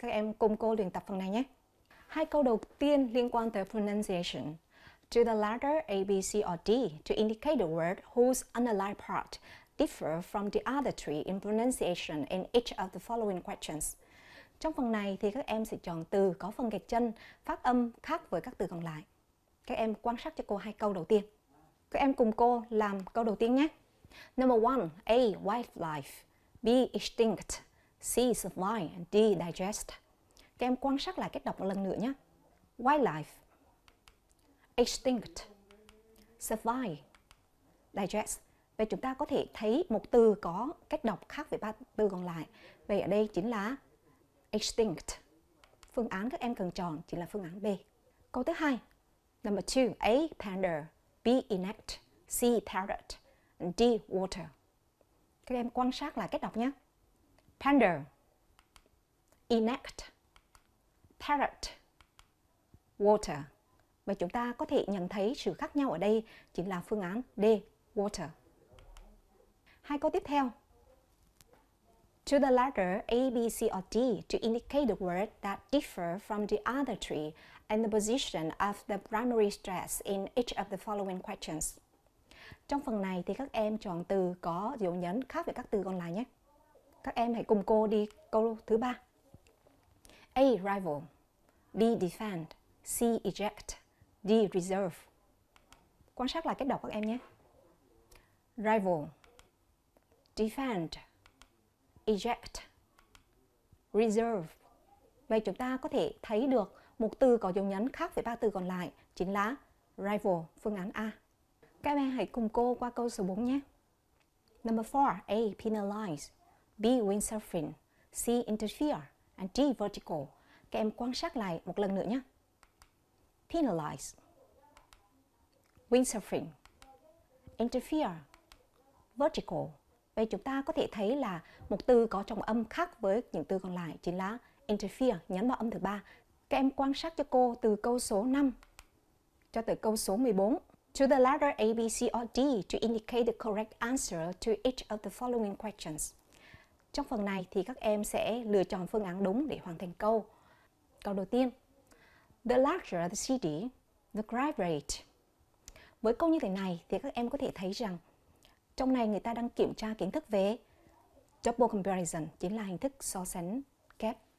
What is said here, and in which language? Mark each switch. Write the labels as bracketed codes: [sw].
[vi] Các em cùng cô luyện tập phần này nhé. Hai câu đầu tiên liên quan tới pronunciation. [en] To the letter A, B, C or D to indicate the word whose underlying part differ from the other three in pronunciation in each of the following questions. [vi] Trong phần này thì các em sẽ chọn từ có phần gạch chân, phát âm khác với các từ còn lại. Các em quan sát cho cô hai câu đầu tiên. Các em cùng cô làm câu đầu tiên nhé. [en] Number 1, A, wildlife, B, extinct, C, survive, D, digest. [vi] Các em quan sát lại cách đọc một lần nữa nhé. Wildlife, extinct, survive, digest. Vậy chúng ta có thể thấy một từ có cách đọc khác với ba từ còn lại. Vậy ở đây chính là extinct. Phương án các em cần chọn chính là phương án B. Câu thứ hai. [en] Number 2. A. Panda. B. Inect. C. Parrot. D. Water. [vi] Các em quan sát lại cách đọc nhé. [en] Panda. Inect. Parrot. Water. [vi] Vậy chúng ta có thể nhận thấy sự khác nhau ở đây chính là phương án D. Water. Hai câu tiếp theo. [en] To the letter A, B, C or D to indicate the word that differ from the other three and the position of the primary stress in each of the following questions. [vi] Trong phần này thì các em chọn từ có dấu nhấn khác với các từ còn lại nhé. Các em hãy cùng cô đi câu thứ ba. [en] A, rival. B, defend. C, eject. D, reserve. [vi] Quan sát lại cách đọc các em nhé. Rival. Defend, eject, reserve. Vậy chúng ta có thể thấy được một từ có dấu nhấn khác với ba từ còn lại, chính là rival, phương án A. Các em hãy cùng cô qua câu số 4 nhé. [en] Number 4, A, penalize, B, windsurfing, C, interfere, and D, vertical. [vi] Các em quan sát lại một lần nữa nhé. Penalize, [en] windsurfing, interfere, vertical. [vi] Vậy chúng ta có thể thấy là một từ có trọng âm khác với những từ còn lại chính là interfere, nhấn vào âm thứ ba. Các em quan sát cho cô từ câu số 5 cho tới câu số 14. [en] To the letter A, B, C or D to indicate the correct answer to each of the following questions. [vi] Trong phần này thì các em sẽ lựa chọn phương án đúng để hoàn thành câu. Câu đầu tiên. [en] The larger the city, the crime rate. [vi] Với câu như thế này thì các em có thể thấy rằng trong này người ta đang kiểm tra kiến thức về double comparison, chính là hình thức so sánh kép.